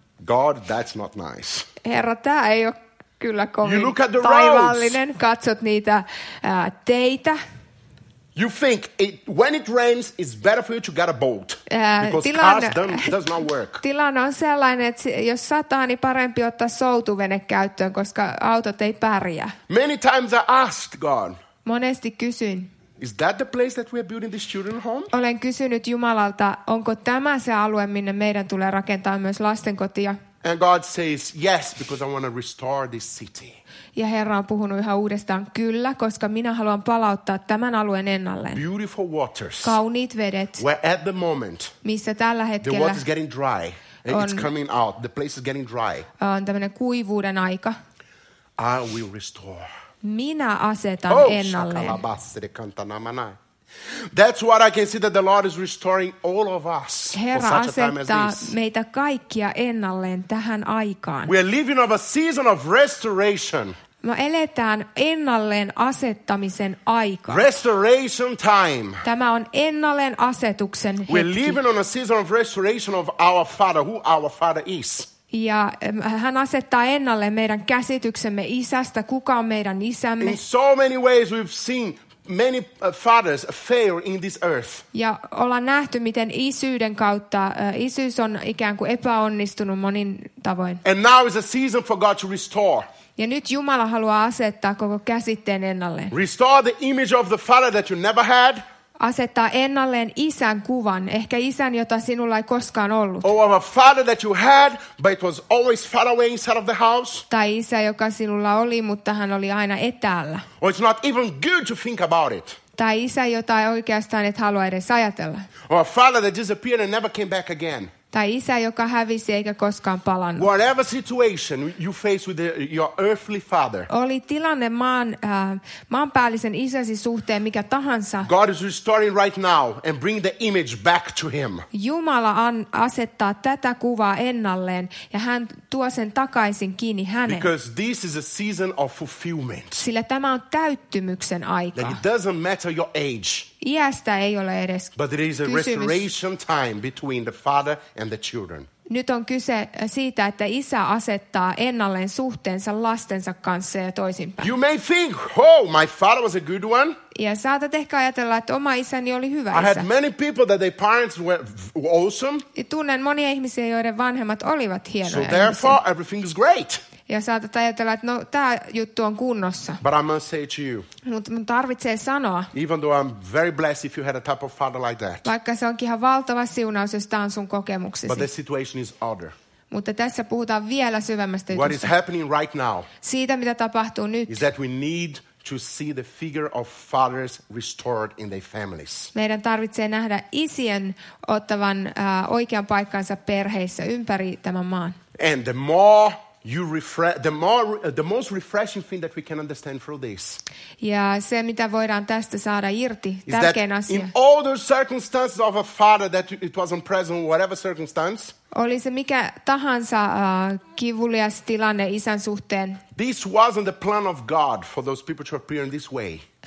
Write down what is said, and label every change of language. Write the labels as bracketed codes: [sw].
[en] God, that's not nice. [fi] Herra, tää ei ole kyllä kovin taivallinen. Katsot niitä teitä. [en] You think it, when it rains it's better for you to get a boat because cars does not work. [fi] Tilanne on sellainen että jos sataa niin parempi ottaa soutuvene käyttöön koska autot ei pärjää. [en] Many times I asked God. [fi] Monesti kysyin. [en] Is that the place that we are building this children home? [fi] Olen kysynyt Jumalalta onko tämä se alue minne meidän tulee rakentaa myös lastenkotia? [en] And God says yes because I want to restore this city. [fi] Ja Herra on puhunut ihan uudestaan kyllä, koska minä haluan palauttaa tämän alueen ennalleen. [en] Beautiful waters. [fi] Kauniit vedet. [en] Where at the moment? [fi] Missä tällä hetkellä? [en] The water is getting dry. It's coming out. The place is getting dry. [fi] On tämmöinen kuivuuden aika. [en] I will restore. [fi] Minä asetan ennalleen. [en] That's what I can see that the Lord is restoring all of us. [fi] Herra [en] for such a time as this. [fi] Meitä kaikkia ennalleen tähän aikaan. [en] We are living of a season of restoration. [fi] Me eletään ennalleen asettamisen aika. [en] Restoration time. [fi] Tämä on ennalleen asetuksen hetki. [en] We are living on a season of restoration of our Father, who our Father is. [fi] Ja hän asettaa ennalle meidän käsityksemme isästä, kuka on meidän isämme. [en] In so many ways we've seen many fathers fail in this earth. [fi] Ja ollaan nähty miten isyyden kautta isyys on ikään kuin epäonnistunut monin tavoin. [en] And now is a season for God to restore. [fi] Ja nyt Jumala haluaa asettaa koko käsitteen ennalleen. [en] Restore the image of the Father that you never had. [fi] Asettaa ennalleen isän kuvan, ehkä isän jota sinulla ei koskaan ollut. [en] Oh, of a father that you had, but it was always far away inside of the house. [fi] Tai isä joka sinulla oli, mutta hän oli aina etäällä. [en] Or it's not even good to think about it. [fi] Tai isä jota ei oikeastaan et halua edes ajatella. [en] Or a father that disappeared and never came back again. [fi] Tai isä joka hävisi eikä koskaan palannut. [en] Whatever situation you face with your earthly father. [fi] Oli tilanne maanpäällisen isäsi suhteen mikä tahansa. [en] God is restoring right now and bring the image back to him. [fi] Jumala asettaa tätä kuvaa ennalleen ja hän tuo sen takaisin kiinni häneen. [en] Because this is a season of fulfillment. [fi] Sillä tämä on täyttymyksen aika. [en] It doesn't matter your age. [fi] Iästä ei ole edes [en] but there is a [fi] kysymys. [en] Restoration time between the father and the children. [fi] Nyt on kyse siitä, että isä asettaa ennalleen suhteensa lastensa kanssa ja toisinpäin. [en] You may think, oh, my father was a good one. [fi] Ja saatat ehkä ajatella, että oma isäni oli hyvä isä. [en] I had many people that their parents were awesome. [fi] Ja tunnen monia ihmisiä, joiden vanhemmat olivat hienoja. [en] So therefore, everything is great. [fi] Ja saatat ajatella, että no, tämä juttu on kunnossa. [en] But I must say to you. [fi] Mutta mun tarvitsee sanoa. [en] Even though I'm very blessed if you had a type of father like that. [fi] Vaikka se onkin ihan valtava siunaus, jos tämä on sun kokemuksesi. [en] But the situation is other. [fi] Mutta tässä puhutaan vielä syvemmästä jutusta. [en] What is happening right now. [fi] Siitä, mitä tapahtuu nyt. [en] Is that we need to see the figure of fathers restored in their families. [fi] Meidän tarvitsee nähdä isien ottavan oikean paikkansa perheissä ympäri tämän maan. [en] And the more you refresh the most refreshing thing that we can understand through this. [fi] Ja se mitä voidaan tästä saada irti tärkein asia. [en] In all the circumstances of a father that it wasn't present whatever circumstance. [fi] Oli se mikä tahansa kivulias tilanne isän suhteen. [en] This wasn't the plan of God for those people to appear in this way.